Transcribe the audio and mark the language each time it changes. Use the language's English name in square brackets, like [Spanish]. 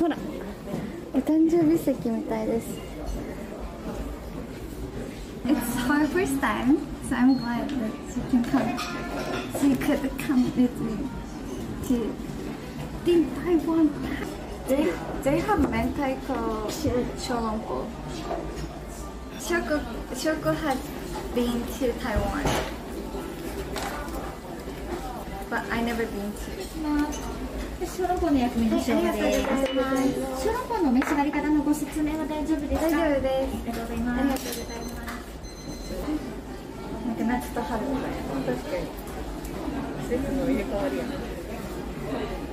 [Japanese] ほら、お誕生日席みたいです。 [English] It's her first time, so I'm glad that she can come. She could come with me to the Taiwan. They have 明太子小籠包。 Shoko has been to Taiwan, but I never been to. [Japanese] 小籠包の薬味の勝負です。ありがとうございます。小籠包の召し上がり方のご説明は大丈夫ですか？大丈夫です。ありがとうございます。ありがとうございます。なんか夏と春みたいな。確かに。季節の入れ替わりやな。